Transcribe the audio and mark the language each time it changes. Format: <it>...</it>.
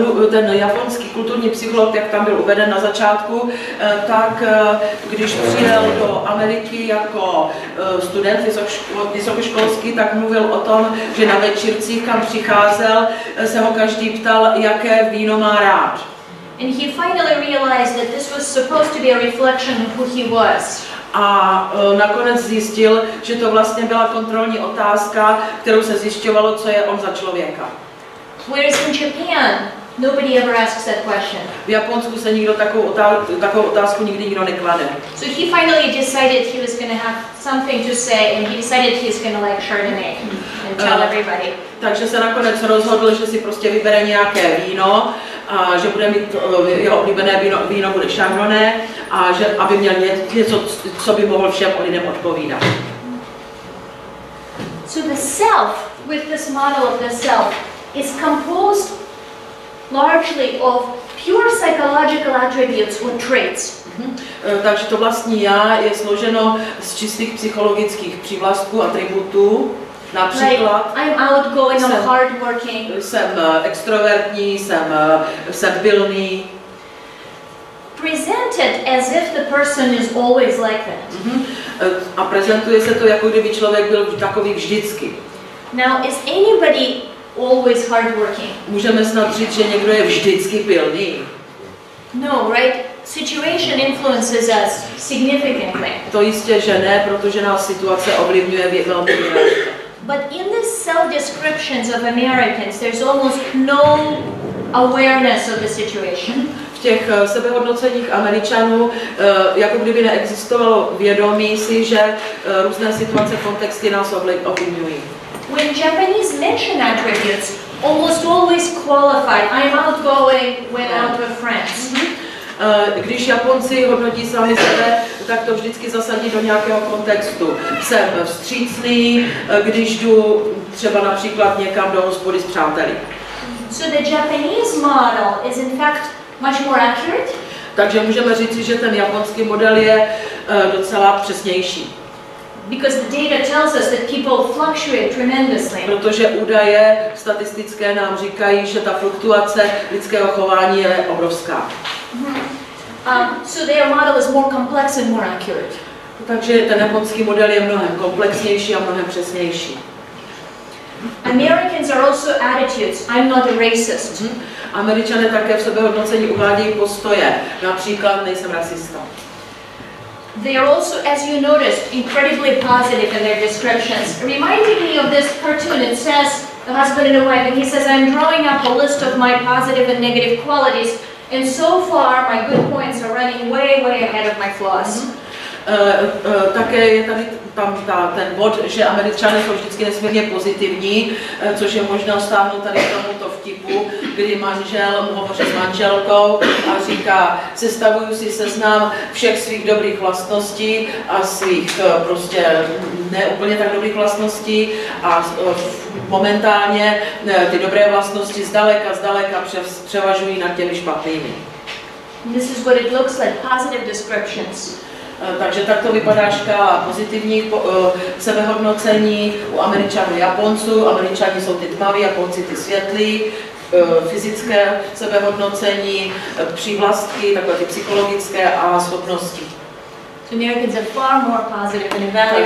<cs>Ten japonský kulturní psycholog, jak tam byl uveden na začátku, tak když přijel do Ameriky jako student vysokoškolský, tak mluvil o tom, že na večírcích, kam přicházel, se ho každý ptal, jaké víno má rád.</cs> <en>And he finally realized that this was supposed to be a reflection of who he was.</en> <cs>A nakonec zjistil, že to vlastně byla kontrolní otázka, kterou se zjišťovalo, co je on za člověka.</cs> <en>Whereas in Japan, nobody ever asks that question.</en> <cs>V Japonsku se nikdo takovou otázku nikdy nikdo neklade.</cs> <en>So he finally decided he was going to have something to say, and he decided he's going to like Chardonnay and tell everybody.</en> <cs>Takže se nakonec rozhodl, že si prostě vybere nějaké víno, a že bude mít jeho oblíbené víno bude Chardonnay, a že aby měl něco, co by mohl všem lidem odpovídat.</cs> <en>So the self, with this model of the self, is composed largely of pure psychological attributes or traits.</en> <cs>Takže to vlastní já je složeno z čistých psychologických přívlastků, atributů. Například,</cs> <en>like, I'm outgoing, I'm hardworking.</en> <cs>Jsem extrovertní, jsem pilný.</cs> <en>Presented as if the person is always like that.</en> <cs>A prezentuje se to, jako kdyby člověk byl takový vždycky.</cs> <en>Now, is anybody always hardworking?</en> <cs>Můžeme snad říct, že někdo je vždycky pilný.</cs> <en>No, right? Situation influences us significantly.</en> <cs>To jistě, že ne, protože nás situace ovlivňuje velmi výrazně.</cs> <en>But in the self descriptions of Americans, there's almost no awareness of the situation.</en> <cs>V těch sebehodnoceních Američanů, jako kdyby neexistovalo vědomí si, že různé situace, kontexty nás ovlivňují.</cs> <en>When Japanese mention attributes, almost always qualified. I'm outgoing when out with friends.</en> <cs>Když Japonci hodnotí sami sebe, tak to vždycky zasadí do nějakého kontextu. Jsem vstřícný, když jdu třeba například někam do hospody s přáteli.</cs> <en>So the Japanese model is in fact much more accurate?</en> <cs>Takže můžeme říci, že ten japonský model je docela přesnější.</cs> <en>Because the data tells us that people fluctuate tremendously.</en> <cs>Protože údaje statistické nám říkají, že ta fluktuace lidského chování je obrovská.</cs> <en>So their model is more complex and more accurate.</en> <cs>Takže ten japonský model je mnohem komplexnější a mnohem přesnější.</cs> <en>Americans are also attitudes. I'm not a racist.</en> <cs>Američané také v sebehodnocení uvádějí postoje. Například nejsem rasista.</cs> <en>They are also, as you noticed, incredibly positive in their descriptions. Reminding me of this cartoon, it says, the husband and a wife, and he says, I'm drawing up a list of my positive and negative qualities, and so far my good points are running way ahead of my flaws.</en> <cs>Také je tady ten bod, že Američané jsou vždycky nesmírně pozitivní, což je možná stáhnout tady k tomuto vtipu, kdy manžel hovoří s manželkou a říká, sestavuju si seznam všech svých dobrých vlastností a svých prostě neúplně tak dobrých vlastností a momentálně ty dobré vlastnosti zdaleka převažují nad těmi špatnými. This is what it looks like, positive descriptions. Takže takto vypadá škála pozitivních sebehodnocení u Američanů a Japonců. Američani jsou ty tmaví, Japonci ty světlí. Fyzické sebehodnocení, přívlastky, takové ty psychologické a schopnosti.</cs> <en>Americans are far more positive than evaluating.</en>